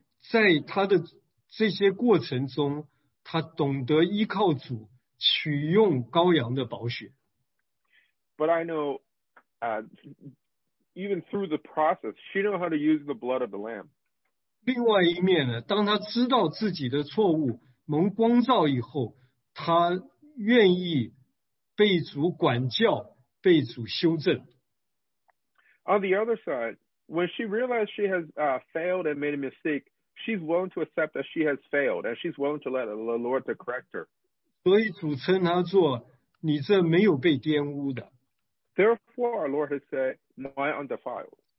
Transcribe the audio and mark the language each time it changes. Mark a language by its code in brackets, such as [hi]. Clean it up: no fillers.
[zh] 但是在她的这些过程中, 她懂得依靠主, 取用羔羊的宝血。 [en] But I know, even through the process, she knows how to use the blood of the lamb. [zh] 另外一面呢, 当她知道自己的错误, 蒙光照以后, 她愿意被主管教, 被主修正。 [en] On the other side, when she realized she has failed and made a mistake, she's willing to accept that she has failed, and she's willing to let the Lord to correct her. [zh] 所以主称她做你这没有被玷污的。 [en] Therefore, our Lord has said, my undefiled.